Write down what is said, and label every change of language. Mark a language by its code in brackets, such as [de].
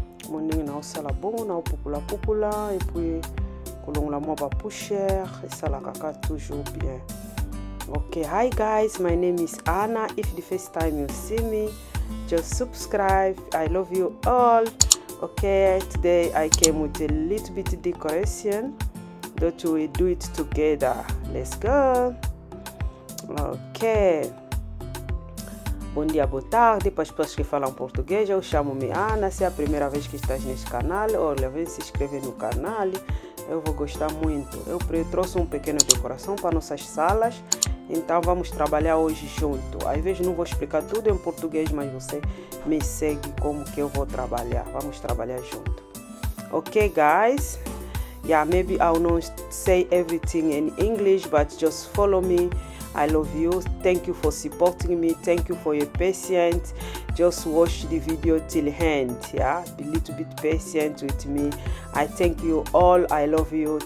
[en] Mon na au sala bongo na popula popula et puis kolongo la mo ba pusher et sala kaka toujours bien. Okay, hi guys, my name is Anna. If the first time you see me, just subscribe. I love you all. Okay, today I came with a little bit decoration that we do it together. Let's go. Okay. [pt] Bom dia, boa tarde, para as pessoas que falam português, eu chamo-me Ana, se é a primeira vez que estás neste canal, olha, vem se inscrever no canal, eu vou gostar muito. Eu trouxe um pequeno decoração para nossas salas, então vamos trabalhar hoje junto. Às vezes não vou explicar tudo em português, mas você me segue como que eu vou trabalhar, vamos trabalhar junto. [en] Ok, guys? Yeah, maybe I'll not say everything in English, but just follow me. I love you. Thank you for supporting me. Thank you for your patience. Just watch the video till end. Yeah, be a little bit patient with me. I thank you all. I love you.